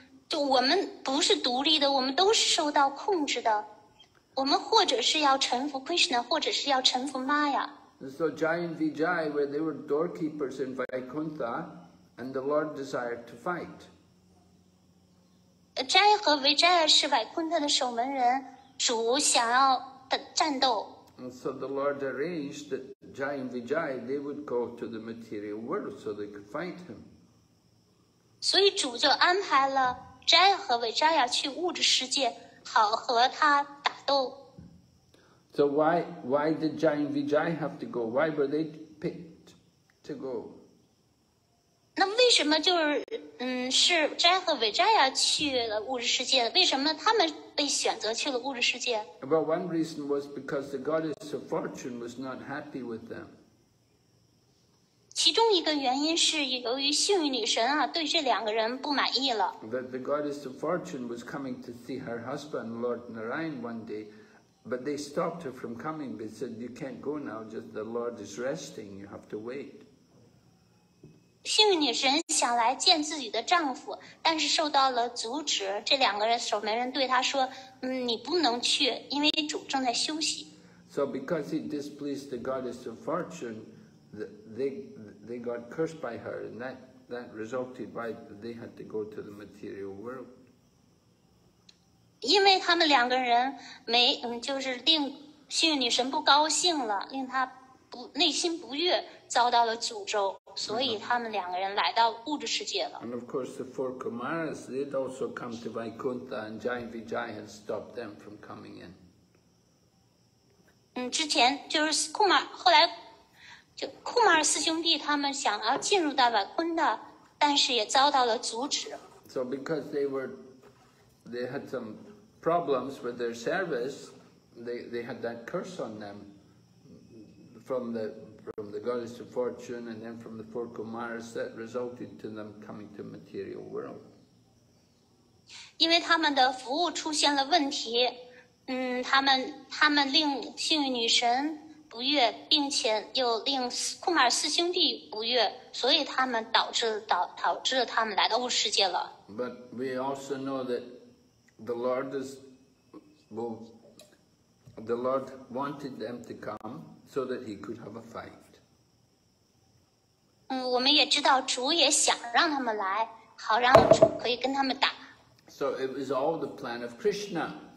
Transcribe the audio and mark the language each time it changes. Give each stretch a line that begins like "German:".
Chinese: 就我们不是独立的，我们都是受到控制的。我们或者是要臣服 Krishna， 或者是要臣服 Maya。
English: So Jai and Vijay, where they were doorkeepers in Vaikuntha, and the Lord desired to fight.
Chinese: 斋和维斋是瓦昆特的守门人，主想要的战斗。
English: And so the Lord arranged that Jai and Vijay they would go to the material world so they could fight him.
Chinese: 所以主就安排了斋和维斋要去物质世界，好和他打斗。
English: So why did Jai and Vijay have to go? Why were they picked to go?
Chinese: 那为什么就是是斋和维斋亚去了物质世界？为什么他们被选择去了物质世界
English: ？Well, one reason was because the goddess of fortune was not happy with them.
Chinese: 其中一个原因是由于幸运女神啊对这两个人不满意了。
English: That the goddess of fortune was coming to see her husband Lord Narayan one day, but they stopped her from coming. They said, "You can't go now. Just the Lord is resting. You have to wait."
Chinese: 幸运女神想来见自己的丈夫，但是受到了阻止。这两个人守门人对他说：“嗯，你不能去，因为主正在休息。”
English: So because he displeased the goddess of fortune, they got cursed by her, and that resulted why they had to go to the material world.
Chinese: 因为他们两个人没嗯，就是令幸运女神不高兴了，令她不内心不悦，遭到了诅咒。所以他们两个人来到物质世界了。
English: And of course, the four Kumaras, they'd also come to Vaikuntha, and Jai Vijay had stopped them from coming in.
Chinese: 嗯，之前就是库马，后来就库马四兄弟他们想要进入到Vaikuntha，但是也遭到了阻止。
English: So because they had some problems with their service, they had that curse on them from the goddess of fortune and then from the four Kumaras that resulted to them coming to material world.
Chinese: 因为他们的服务出现了问题，嗯，他们令幸运女神不悦，并且又令库马尔四兄弟不悦，所以他们导致他们来到物质世界了。
English: But we also know that the Lord wanted them to come so that he could have a fight.
Chinese: 嗯，我们也知道主也想让他们来，好让主可以跟他们打。
English: So it was all the plan of Krishna.